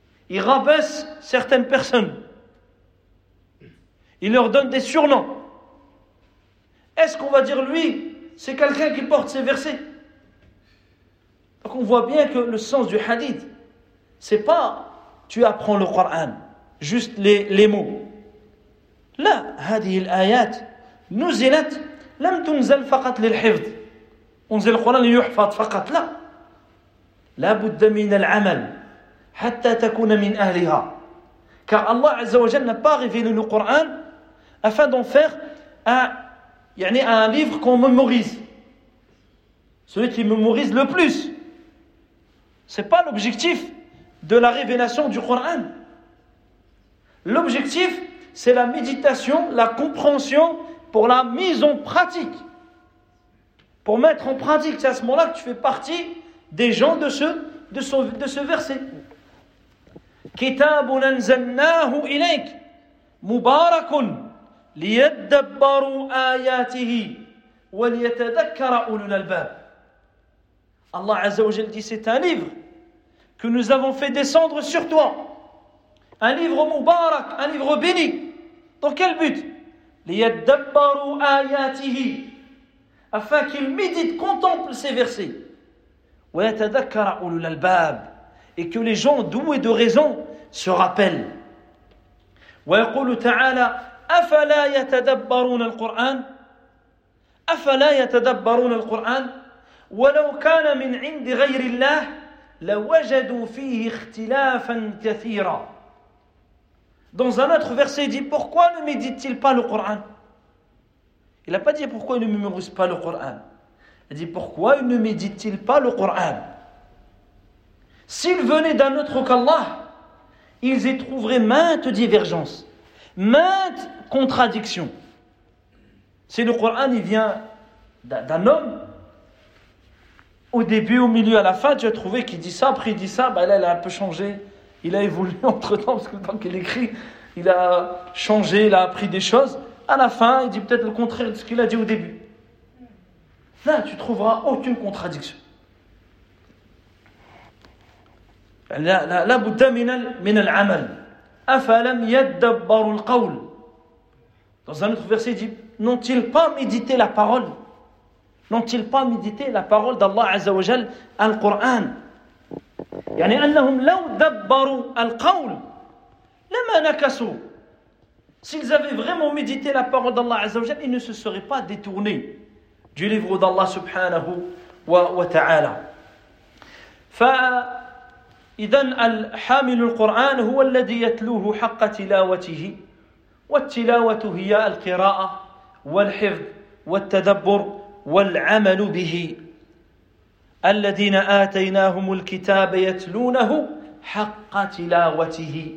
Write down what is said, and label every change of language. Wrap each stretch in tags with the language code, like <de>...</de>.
<fr>Il rabaisse certaines personnes. Il leur donne des surnoms. Est-ce qu'on va dire lui, c'est quelqu'un qui porte ces versets? Donc on voit bien que le sens du hadith, c'est pas tu apprends le Coran, juste les mots. Là,</fr> <ar>هذه الآيات نزلت لم تنزل فقط للحفظ. انزل القرآن ليحفظ فقط لا. لا بد من العمل حتى تكون من أهلها.</ar> <fr>Car Allah Azza wa Jalla n'a pas révélé le Coran afin d'en faire un livre qu'on mémorise. Celui qui mémorise le plus. C'est pas l'objectif de la révélation du Coran. L'objectif, c'est la méditation, la compréhension pour la mise en pratique. Pour mettre en pratique, c'est à ce moment-là que tu fais partie des gens de ce verset.</fr> <ar>كتاب أنزلناه إليك مبارك ليدبروا آياته وليتذكر أولو الألباب.</ar> <fr>Allah Azza wa Jalla dit, c'est un livre que nous avons fait descendre sur toi. Un livre mubarak, un livre béni. Dans quel but?</fr> <ar>ليدبروا آياته,</ar> <fr>afin qu'ils méditent, contemplent ces versets.</fr> <ar>ويتذكر أولو الألباب,</ar> <fr>et que les gens doués de raison se rappellent.</fr> <ar>ويقول تعالى أفلا يتدبرون القرآن أفلا يتدبرون القرآن ولو كان من عند غير الله لوجدوا فيه اختلافا كثيرا.</ar> <fr>Dans un autre verset, il dit, pourquoi ne médite-t-il pas le Coran? Il n'a pas dit pourquoi il ne mémorise pas le Coran. Il dit, pourquoi il ne médite-t-il pas le Coran? S'il venait d'un autre qu'Allah, ils y trouveraient maintes divergences, maintes contradictions. Si le Coran, il vient d'un homme, au début, au milieu, à la fin, tu as trouvé qu'il dit ça, après il dit ça, ben là, il a un peu changé. Il a évolué entre temps, parce que tant qu'il écrit, il a changé, il a appris des choses. À la fin, il dit peut-être le contraire de ce qu'il a dit au début. Là, tu ne trouveras aucune contradiction.</fr> <ar>La bouddha min al-amal. Afalam yaddabbaru al-qawl.</ar> <fr>Dans un autre verset, il dit, n'ont-ils pas médité la parole? N'ont-ils pas médité la parole d'Allah Azza wa Jal, Al-Qur'an?</fr> <ar>يعني أنهم لو دبروا القول لما نكسوا.</ar> <fr>S'ils avaient vraiment médité la parole d'Allah Azza wa Jal, ils ne se seraient pas détournés du livre d'Allah subhanahu wa ta'ala.</fr> <ar>فإذن الحامل القرآن هو الذي يتلوه حق تلاوته والتلاوة هي القراءة والحفظ والتدبر والعمل به الذين آتيناهم الكتاب يتلونه حق تلاوته.</ar>